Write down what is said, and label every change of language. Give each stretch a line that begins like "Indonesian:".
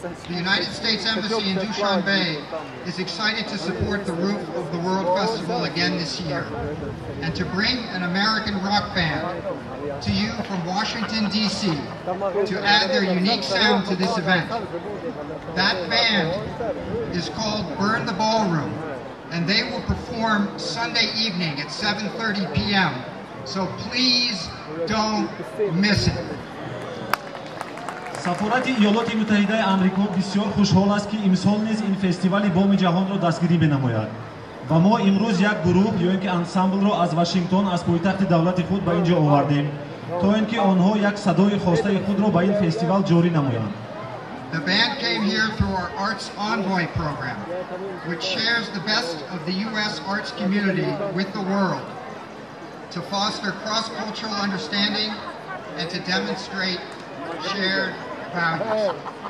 English: The United States Embassy in Dushanbe is excited to support the Roof of the World Festival again this year and to bring an American rock band to you from Washington, D.C. to add their unique sound to this event. That band is called Burn the Ballroom and they will perform Sunday evening at 7:30 p.m. So please don't miss it.
Tajik: Сафорати Иёлоти Муттаҳидаи Амрико бисёр хушҳол аст ки имсол низ ин фестивали Боми Ҷаҳонро дастгирӣ менамояд. Ва мо имрӯз як гурӯҳ ё ки ансамблро аз Вашингтон аз пойтахти давлати худ ба инҷо овардем, то ин ки онҳо як садои хостаи худро ба ин фестивал ҷорӣ намоянд.
English: The band came here through our Arts Envoy program, which shares the best of the US arts community with the world to foster cross-cultural understanding and to demonstrate shared values.